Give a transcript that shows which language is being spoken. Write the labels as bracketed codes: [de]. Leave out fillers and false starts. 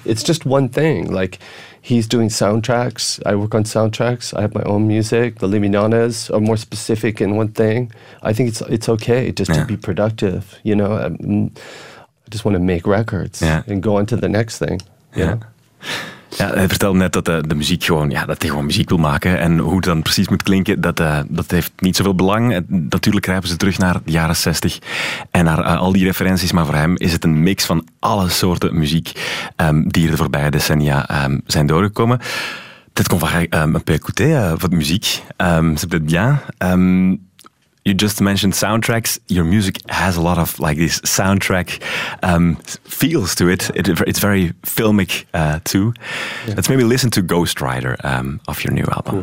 [en] It's just one thing. Like, he's doing soundtracks. I work on soundtracks. I have my own music. The Liminanas are more specific in one thing. I think it's okay just to be productive, you know. I just want to make records and go on to the next thing, you know. [nl] Ja, hij vertelde net dat de muziek gewoon, ja, dat hij gewoon muziek wil maken en hoe het dan precies moet klinken, dat heeft niet zoveel belang. Natuurlijk grijpen ze terug naar de jaren 60 en naar al die referenties, maar voor hem is het een mix van alle soorten muziek die er de voorbije decennia zijn doorgekomen. Dit komt van een [fr] peu écouter [nl] voor de muziek. [fr] C'est peut-être bien. [en] You just mentioned soundtracks. Your music has a lot of like this soundtrack feels to it. It's very filmic too. Yeah. Let's maybe listen to Ghost Rider of your new album.